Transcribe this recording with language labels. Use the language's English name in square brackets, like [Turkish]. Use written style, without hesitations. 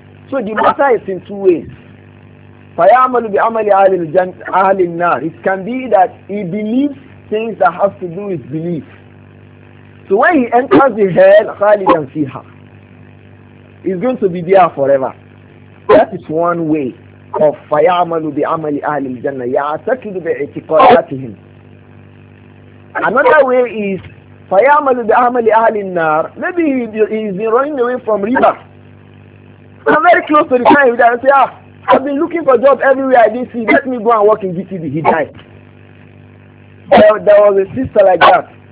[English] So the matter is in two ways. [Arabic] فَيَعْمَلُ بِعَمَلِ أَهْلِ النَّارِ, [English] it can be that he believes things that have to do with belief. So when he enters the hell, [Arabic] خَالِدًا فِيهَا, [English] he's going to be there forever. That is one way of [Arabic] فَيَعْمَلُ بِعَمَلِ أَهْلِ الْجَنَّةِ يَعْتَكِدُ بِعِتِقَادَاتِهِمْ. [English] Another way is [Arabic] فَيَعْمَلُ بِعَمَلِ أَهْلِ النَّارِ, [English] maybe he's been running away from riba. I'm very close to the time he died and say, I've been looking for jobs everywhere I didn't see. Let me go and work in GTD. He died. There was a sister like that.